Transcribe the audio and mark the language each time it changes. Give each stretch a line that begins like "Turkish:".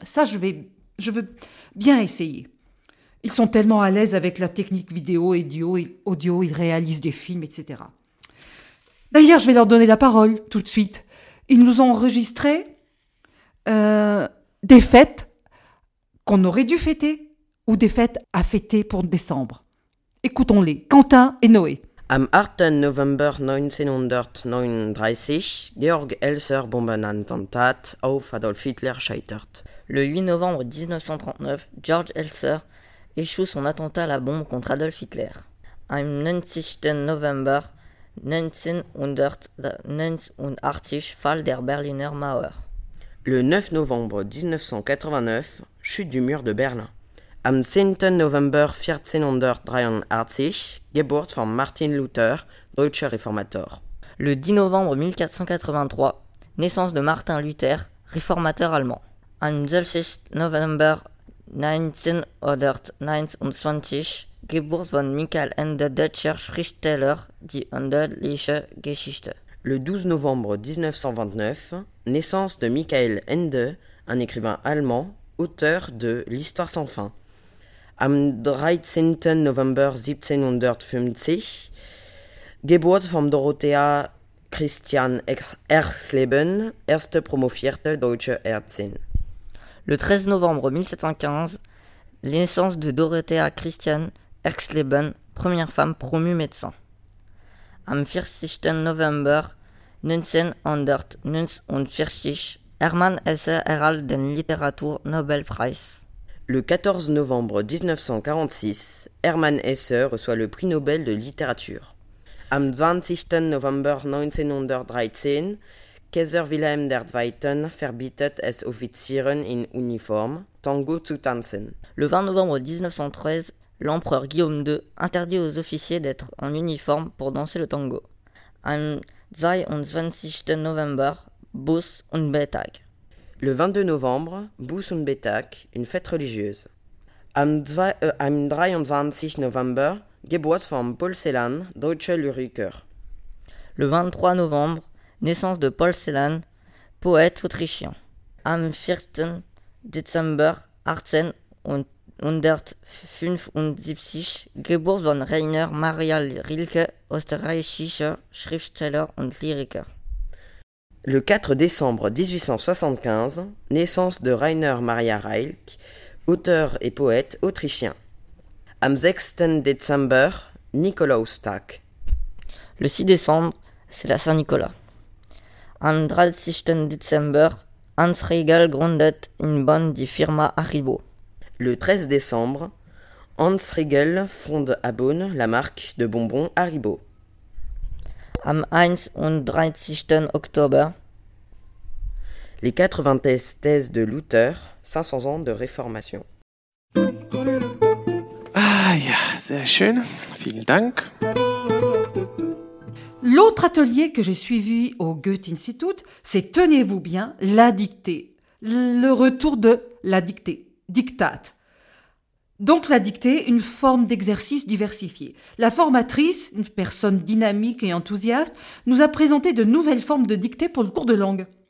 French: Ça, je veux bien essayer. Ils sont tellement à l'aise avec la technique vidéo et audio, ils réalisent des films, etc. D'ailleurs, je vais leur donner la parole tout de suite. Ils nous ont enregistré des fêtes qu'on aurait dû fêter ou des fêtes à fêter pour décembre. Écoutons-les, Quentin et Noé.
German: Am 8. November 1939, Georg Elser bomben Attentat auf Adolf Hitler scheitert.
French: Le 8 novembre 1939, George Elser échoue son attentat à la bombe contre Adolf Hitler.
German: Am 9. November 1989, Fall der Berliner Mauer.
French: Le 9 novembre 1989, chute du mur de Berlin.
German: Am 10. November 1483, Geburt von Martin Luther, Deutscher Reformator.
French: Le 10 novembre 1483, naissance de Martin Luther, réformateur allemand.
German: Am 12. November 1929, Geburt von Michael Ende, Deutscher Schriftsteller, die Endeliche Geschichte.
French: Le 12 novembre 1929, naissance de Michael Ende, un écrivain allemand, auteur de L'Histoire sans fin.
German: Am 13. November 1750, Geburt von Dorothea Christian Erzleben, erste promovierte deutsche Ärztin.
French: Le 13 novembre 1715, naissance de Dorothea Christian Erzleben, première femme promue médecin.
German: Am 14. November 1949, Hermann Hesse erhält den Literatur Nobelpreis.
French: Le 14 novembre 1946, Hermann Hesse reçoit le prix Nobel de littérature.
German: Am 20. November 1913, Kaiser Wilhelm II verbietet es Offizieren in Uniform, Tango zu tanzen.
French: Le 20 novembre 1913, l'empereur Guillaume II interdit aux officiers d'être en uniforme pour danser le tango.
German: Am 22. November, Buß und Betag.
French: Le 22 novembre, Buß und Betag, une fête religieuse.
German: Am 23. November, Geburt von Paul Celan, deutscher Lyriker.
French: Le 23 novembre, naissance de Paul Celan, poète autrichien.
German: Am 4. Dezember, 1875, Geburt von Rainer Maria Rilke, österreichischer Schriftsteller und Lyriker.
French: Le 4 décembre 1875, naissance de Rainer Maria Rilke, auteur et poète autrichien.
German: Am 6. Dezember, Nikolaustag.
French: Le 6 décembre, c'est la Saint-Nicolas.
German: Am 30. Dezember, Hans Riegel gründet in Bonn die Firma Haribo.
French: Le 13 décembre, Hans Riegel fonde à Bonn la marque de bonbons Haribo.
German: am 31. Oktober.
French: Les 80 thèses de Luther, 500 ans de réformation.
German: Ah ja, sehr schön, vielen Dank.
French: L'autre atelier que j'ai suivi au Goethe-Institut, c'est, tenez-vous bien, la dictée. Le retour de la dictée, diktat. Donc la dictée, une forme d'exercice diversifié. La formatrice, une personne dynamique et enthousiaste, nous a présenté de nouvelles formes de dictée pour le cours de langue.